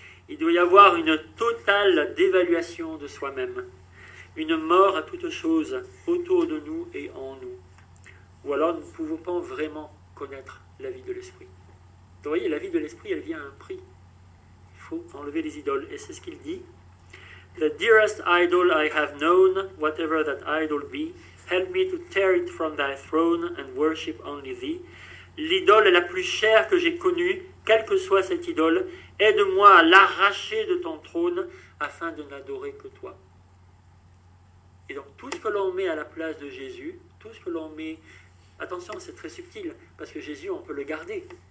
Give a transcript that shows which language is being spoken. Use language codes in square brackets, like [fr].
[fr] Il doit y avoir une totale dévaluation de soi-même, une mort à toute chose autour de nous et en nous. Ou alors nous ne pouvons pas vraiment connaître la vie de l'esprit. Vous voyez, la vie de l'esprit, elle vient à un prix. Il faut enlever les idoles. Et c'est ce qu'il dit. [en] The dearest idol I have known, whatever that idol be, help me to tear it from thy throne and worship only thee. [fr] L'idole est la plus chère que j'ai connue, quelle que soit cette idole, aide-moi à l'arracher de ton trône afin de n'adorer que toi. Et donc tout ce que l'on met à la place de Jésus, tout ce que l'on met, attention, c'est très subtil, parce que Jésus, on peut le garder.